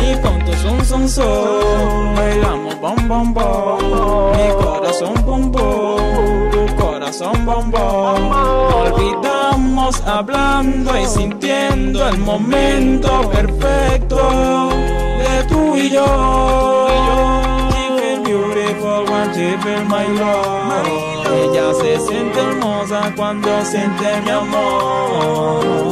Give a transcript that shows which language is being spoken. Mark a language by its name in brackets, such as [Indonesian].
[Spanish] Y con tu son son son, bailamos bom bom bom. Mi corazón bom bom, tu corazón bom bom. Olvidamos hablando y sintiendo el momento perfecto. Tú y yo. [English] She feel beautiful when she feel my love. [Spanish] Ella se siente hermosa cuando siente mi amor.